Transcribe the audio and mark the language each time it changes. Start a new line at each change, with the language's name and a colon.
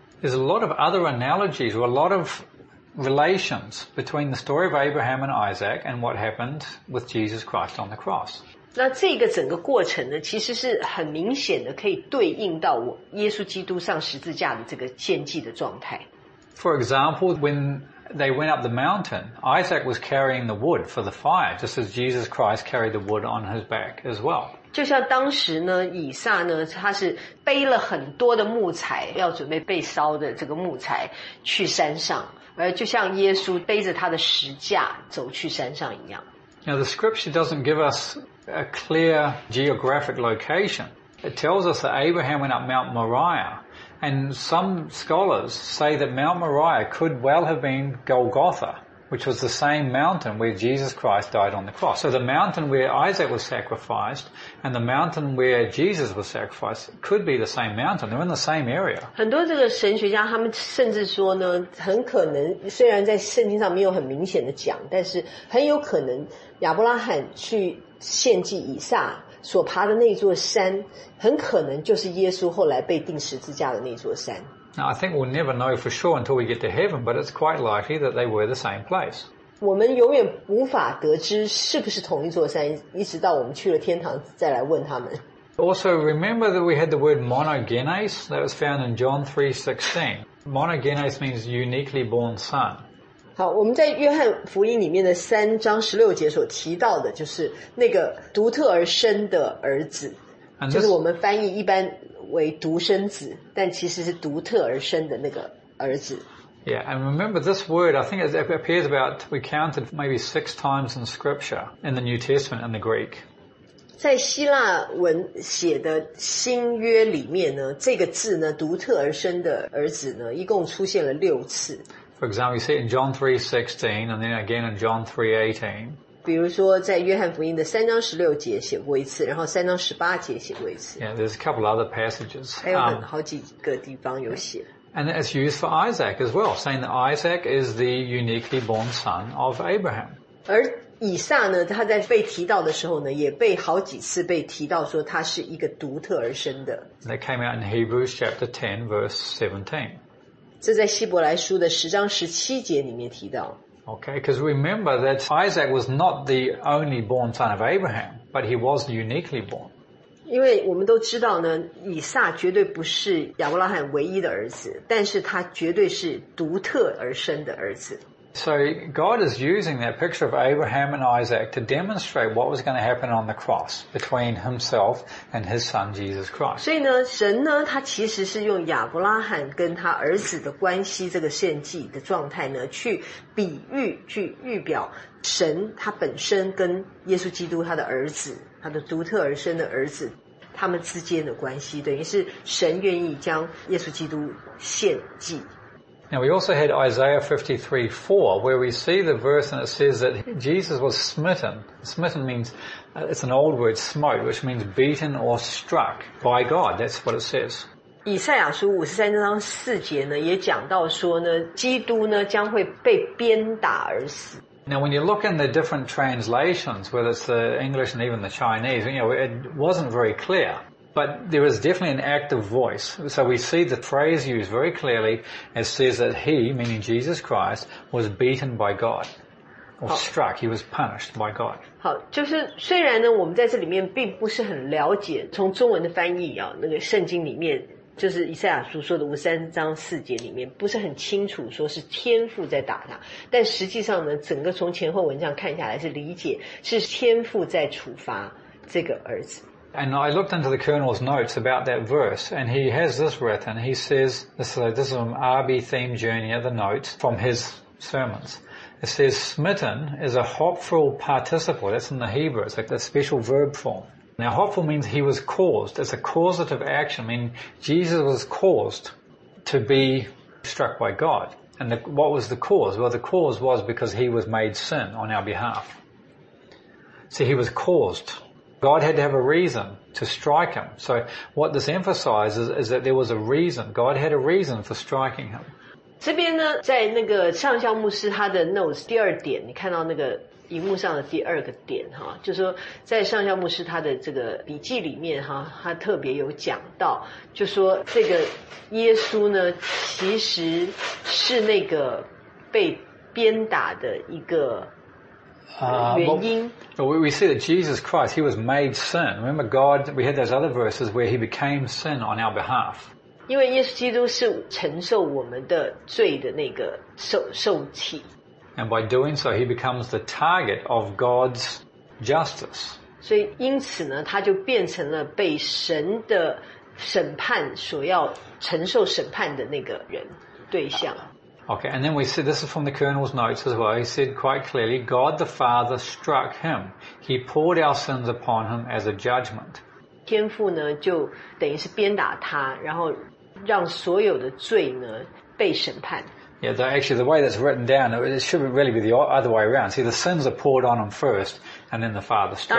English: There's a lot of other analogies or a lot of relations between the story of Abraham and Isaac and what happened with Jesus Christ on the cross.
Chinese: 那这个整个过程呢，其实是很明显的可以对应到我耶稣基督上十字架的这个献祭的状态。
English: For example, whenThey went up the mountain. Isaac was carrying the wood for the fire, just as Jesus Christ carried the wood on his back as well.
Chinese: 就像当时呢，以撒呢，他是背了很多的木材，要准备被烧的这个木材去山上，而就像耶稣背着他的十架走去山上一样。
English: Now the scripture doesn't give us a clear geographic location. It tells us that Abraham went up Mount Moriah. And some scholars say that Mount Moriah could well have been Golgotha, which was the same mountain where Jesus Christ died on the cross. So the mountain where Isaac was sacrificed and the mountain where Jesus was sacrificed could be the same mountain. They're in the same area.
Chinese: 很多这个神学家他们甚至说呢，很可能虽然在圣经上没有很明显的讲，但是很有可能亚伯拉罕去献祭以撒。所爬的那座山很可能就是耶稣后来被钉十字架的那座山。
English: Now, I think we'll never know for sure until we get to heaven, but it's quite likely that they were the same place.
Chinese: 我们永远无法得知是不是同一座山，一直到我们去了天堂再来问他们。
English: Also, remember that we had the word monogenes that was found in John 3:16. Monogenes means uniquely born son.
Chinese: 好，我们在约翰福音里面的三章十六节所提到的就是那个独特而生的儿子
English: this,
Chinese: 就是我们翻译一般为独生子但其实是独特而生的那个儿子
English: Yeah, and remember this word, I think it appears about, we counted maybe six times in scripture in the New Testament and the Greek
Chinese: 在希腊文写的新约里面呢这个字呢独特而生的儿子呢一共出现了六次
English: For example, you see it in John 3:16 and then again in John 3:18.
Chinese: 比如说在约翰福音的三章十六节写过一次然后三章十八节写过一次。
English: Yeah, there's a couple other passages.
Chinese: 还有很好几个地方有写。
English: And it's used for Isaac as well, saying that Isaac is the uniquely born son of Abraham.
Chinese: 而以撒呢他在被提到的时候呢也被好几次被提到说他是一个独特而生的。
English: That came out in Hebrews chapter 10 verse 17.
Chinese: 这在希伯来书的十章十七节里面提到。
English: Okay, because remember that Isaac was not the only born son of Abraham, but he was uniquely born.
Chinese: 因为我们都知道呢，以撒绝对不是亚伯拉罕唯一的儿子，但是他绝对是独特而生的儿子。
English: So God is using that picture of Abraham and Isaac to demonstrate what was going to happen on the cross between himself and his son Jesus Christ.
Chinese: 所以呢神呢他其实是用亚伯拉罕跟他儿子的关系这个献祭的状态呢去比喻去预表神他本身跟耶稣基督他的儿子他的独特而生的儿子他们之间的关系，等于是神愿意将耶稣基督献祭。
English: Now we also had Isaiah 53:4, where we see the verse and it says that Jesus was smitten. Smitten means, it's an old word, smote, which means beaten or struck by God. That's what it says.
Chinese: 以赛亚书53:4呢，也讲到说呢，基督呢将会被鞭打而死。
English: Now when you look in the different translations, whether it's the English and even the Chinese, you know, it wasn't very clear. But there is definitely an active voice. So we see the phrase used very clearly as says that he, meaning Jesus Christ, was beaten by God. Or struck, he was punished by God.
Chinese: 好，就是虽然呢，我们在这里面并不是很了解，从中文的翻译啊，那个圣经里面就是以赛亚书说的53:4里面不是很清楚说是天父在打他，但实际上呢，整个从前后文章看下来是理解是天父在处罚这个儿子。
English: And I looked into the Colonel's notes about that verse, and he has this written. He says, this is from R.B. Theme Junior, the notes from his sermons. It says, smitten is a hopeful participle. That's in the Hebrew. It's like a special verb form. Now, hopeful means he was caused. It's a causative action. I mean, Jesus was caused to be struck by God. And what was the cause? Well, the cause was because he was made sin on our behalf. See, he was caused. God had to have a reason to strike him. So what this emphasizes is that there was a reason. God had a reason for striking him.
Chinese: 这边呢，在那个上校牧师他的 notes 第二点，你看到那个荧幕上的第二个点哈，就是说在上校牧师他的这个笔记里面哈，他特别有讲到，就说这个耶稣呢，其实是那个被鞭打的一个。
English: Well, we see that Jesus Christ, he was made sin. Remember God, we had those other verses where he became sin on our behalf.
Chinese: 因为耶稣基督是承受我们的罪的那个受体。
English: And by doing so, he becomes the target of God's justice.
Chinese: 所以因此呢，他就变成了被神的审判所要承受审判的那个人对象。
English: Okay, and then we said, this is from the Colonel's notes as well, he said quite clearly, God the Father struck him. He poured our sins upon him as a judgment.
Chinese: 天父呢就等于是鞭打他，然后让所有的罪呢被审判。
English: Yeah, actually the way that's written down, it should really be the other way around. See, the sins are poured on him first, and then the Father struck him.